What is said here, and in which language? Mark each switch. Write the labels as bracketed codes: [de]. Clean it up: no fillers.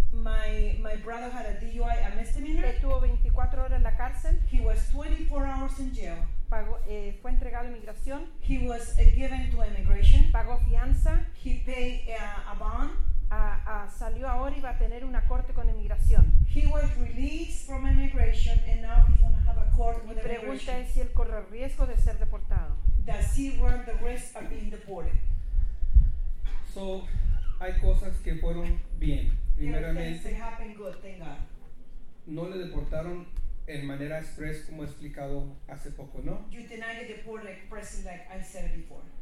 [en] My brother had a DUI, a misdemeanor. [es] Estuvo 24 horas en la cárcel. [en] He was 24 hours in jail. [es] Pagó, fue entregado a inmigración. [en] He was given to immigration. [es] Pagó fianza. [en] He paid a bond. [es] Salió ahora y va a tener una corte con inmigración. [en] He was released from immigration and now he's going to have a court with immigration. [es] Mi pregunta es si él corre riesgo de ser deportado. [en] Does he run the risk of being deported? [es] So, hay cosas que fueron bien. Primeramente, [en] good, [es] no le deportaron en manera express como he explicado hace poco, ¿no? [en] You denied the deportation express like I said before.